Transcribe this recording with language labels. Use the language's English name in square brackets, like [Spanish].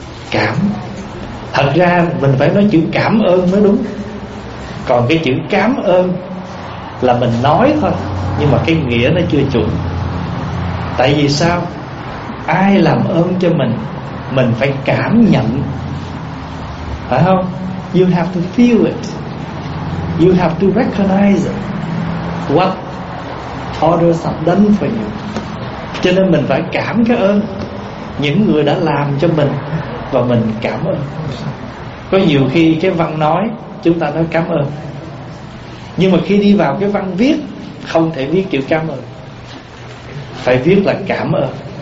[Vietnamese] Cảm. Thật ra mình phải nói chữ cảm ơn mới đúng. Còn cái chữ cảm ơn là mình nói thôi, nhưng mà cái nghĩa nó chưa chuẩn. Tại vì sao? Ai làm ơn cho mình phải cảm nhận, phải không? [English] You have to feel it. You have to recognize what others have done for you. [Vietnamese] Cho nên mình phải cảm cái ơn những người đã làm cho mình, và mình cảm ơn. Có nhiều khi cái văn nói chúng ta nói cảm ơn, nhưng mà khi đi vào cái văn viết không thể viết chữ cảm ơn, phải viết là cảm ơn.